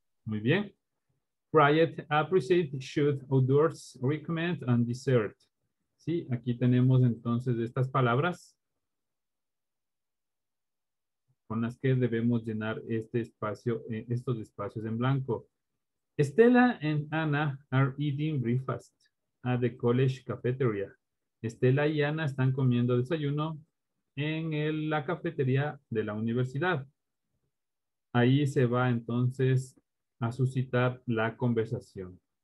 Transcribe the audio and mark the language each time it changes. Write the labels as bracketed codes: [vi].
[es] Muy bien. [en] Riot, appreciate, should, outdoors, recommend, and desert. [es] Sí, aquí tenemos entonces estas palabras. con las que debemos llenar este espacio, estos espacios en blanco. [en] Stella and Anna are eating breakfast at the college cafeteria. [es] Stella y Anna están comiendo desayuno en la cafetería de la universidad. Ahí se va entonces a suscitar la conversación.